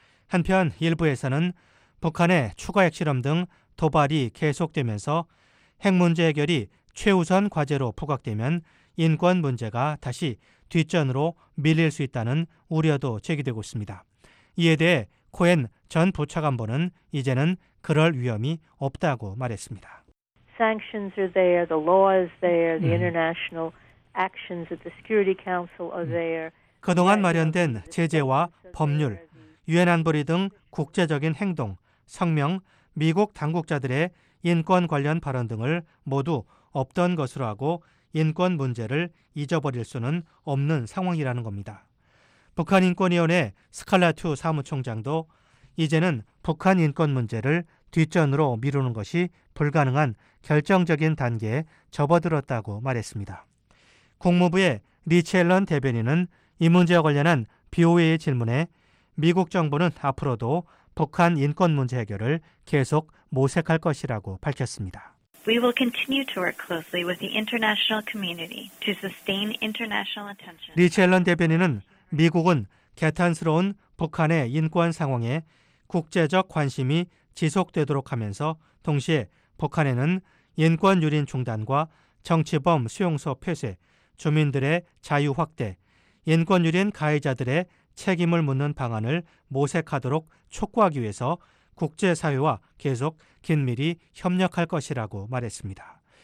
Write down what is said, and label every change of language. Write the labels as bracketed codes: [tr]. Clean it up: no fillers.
[ko] 한편 일부에서는 북한의 추가 핵실험 등 도발이 계속되면서 핵 문제 해결이 최우선 과제로 부각되면 인권 문제가 다시 뒷전으로 밀릴 수 있다는 우려도 제기되고 있습니다. 이에 대해 코엔 전 부차관보는 이제는 그럴 위험이 없다고 말했습니다. [en] Sanctions are there, the law is there, the international actions at the Security Council are there. [ko] 그동안 마련된 제재와 법률, 유엔 안보리 등 국제적인 행동, 성명, 미국 당국자들의 인권 관련 발언 등을 모두 없던 것으로 하고 인권 문제를 잊어버릴 수는 없는 상황이라는 겁니다. 북한인권위원회 스칼라투 사무총장도 이제는 북한 인권 문제를 뒷전으로 미루는 것이 불가능한 결정적인 단계에 접어들었다고 말했습니다. 국무부의 리첼런 대변인은 이 문제와 관련한 BOA의 질문에 미국 정부는 앞으로도 북한 인권 문제 해결을 계속 모색할 것이라고 밝혔습니다. [en] We will continue to work closely with the international community to sustain international attention. [ko] 리첼런 대변인은 미국은 개탄스러운 북한의 인권 상황에 국제적 관심이 지속되도록 하면서 동시에 북한에는 인권 유린 중단과 정치범 수용소 폐쇄, 주민들의 자유 확대, 인권 유린 가해자들의 책임을 묻는 방안을 모색하도록 촉구하기 위해서 국제사회와 계속 긴밀히 협력할 것이라고 말했습니다.